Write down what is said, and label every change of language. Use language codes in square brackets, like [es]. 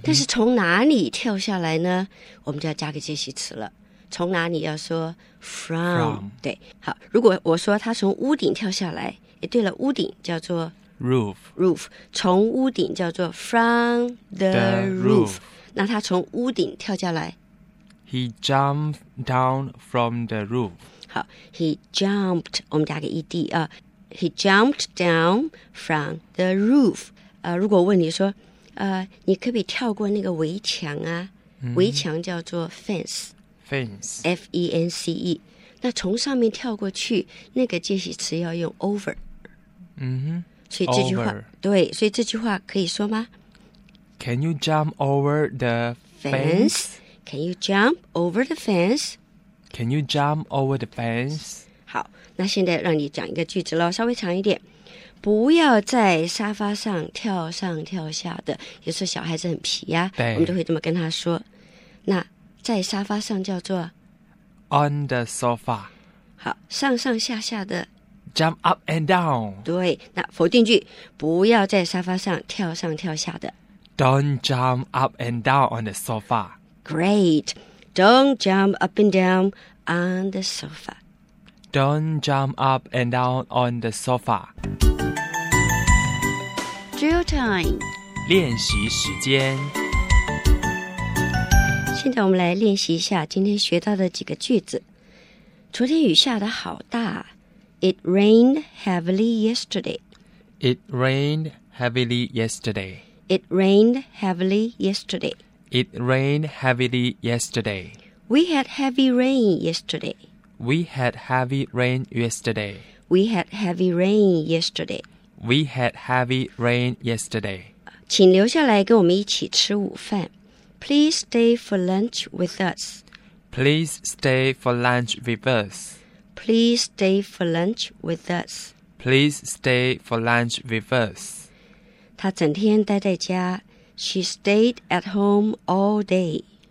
[zh] 但是从哪里跳下来呢，我们就要加个介系词了。从哪里要说 [en] from， [zh] 对。好，如果我说他从屋顶跳下来，也对了，屋顶叫做 [en] roof， [zh] roof， 从屋顶叫做 [en] from the roof， [zh] 那他从屋顶跳下来， [en] He jumped down from the roof。 [zh] 好， [en] He jumped， [zh] 我们加个 ed、 [en] He jumped down from the roof、 [zh] 如果问你说、你可不可以跳过那个围墙啊、围墙叫做 fence， [en] fence [zh] F-E-N-C-E， 那从上面跳过去，那个介系词要用 over、所以这句话、对，所以这句话可以说吗？ [en] Can you jump over the fence? Can you jump over the fence? Can you jump over the fence? [zh] 好，那现在让你讲一个句子咯，稍微长一点。不要在沙发上跳上跳下的，有时候小孩子很皮呀、对，我们都会这么跟他说。那在沙发上叫做 [en] On the sofa。 [zh] 好，上上下下的 [en] Jump up and down。 [zh] 对，那否定句，不要在沙发上跳上跳下的， [en] Don't jump up and down on the sofa。 Great，Don't jump up and down on the sofa. Don't jump up and down on the sofa. Drill time. [zh] 练习时间。现在我们来练习一下今天学到的几个句子。昨天雨下的好大。 [en] It rained heavily yesterday. It rained heavily yesterday. It rained heavily yesterday. It rained heavily yesterday. We had heavy rain yesterday. We had heavy rain yesterday. We had heavy rain yesterday. We had heavy rain yesterday. [zh] 请留下来跟我们一起吃午饭。 [en] Please stay for lunch with us. Please stay for lunch with us. Please stay for lunch with us. Please stay for lunch with us. [zh] 他整天待在家。 [en] She stayed at home all day.